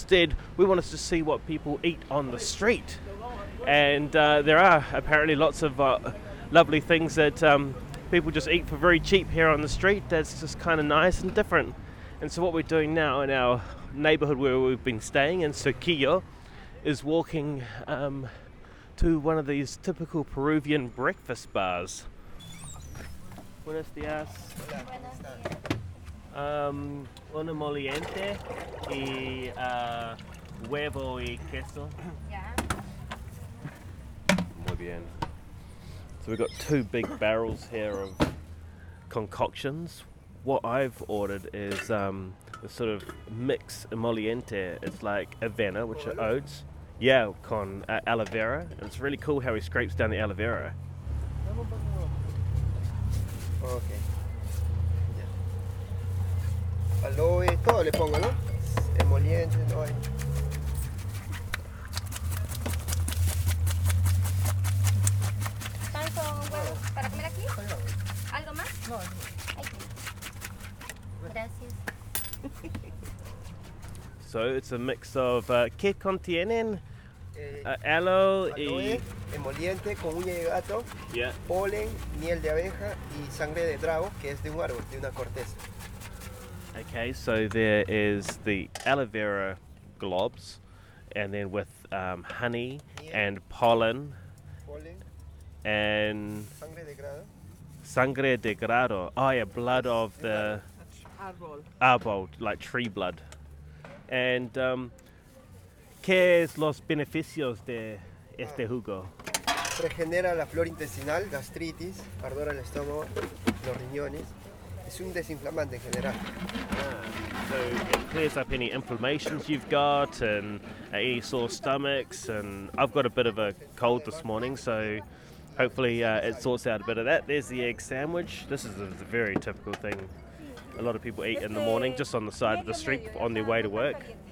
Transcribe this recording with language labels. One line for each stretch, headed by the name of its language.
English: Instead, we wanted to see what people eat on the street. And there are apparently lots of lovely things that people just eat for very cheap here on the street that's just kind of nice and different. And so what we're doing now in our neighborhood where we've been staying in Surquillo is walking to one of these typical Peruvian breakfast bars.
Spanish: Buenos dias. Una moliente y huevo y queso.
English: Yeah.
Spanish: Muy bien.
English: So we've got two big barrels here of concoctions. What I've ordered is a sort of mix moliente. It's like avena, which are oats. Yeah,
Spanish: con aloe vera.
English: And it's really cool how he scrapes down the aloe vera. Oh, okay.
Spanish: Yeah. Aloe, todo le pongo, ¿no? Emoliente, no hay. ¿Pan con huevo para comer aquí? ¿Algo más? No, no. Gracias.
English: So it's a mix of
Spanish: ¿qué contienen? Aloe y emoliente con uña de gato,
English: yeah.
Spanish: Polen, miel de abeja y sangre de trago, que es de un árbol, de una corteza.
English: Okay, so there is the aloe vera globs, and then with honey,
Spanish: miel,
English: and pollen,
Spanish: polen,
English: and
Spanish: sangre de grado. Sangre de grado.
English: Oh yeah, blood of the
Spanish: árbol.
English: Árbol, like tree blood.
Spanish: And ¿qué es los beneficios de este jugo? Regenera la flora intestinal, gastritis, ardor al estómago, los riñones. Es un desinflamante en general.
English: So it clears up any inflammations you've got and any sore stomachs. And I've got a bit of a cold this morning, so hopefully it sorts out a bit of that. There's the egg sandwich. This is a very typical thing a lot of people eat in the morning, just on the side of the street on their way to work.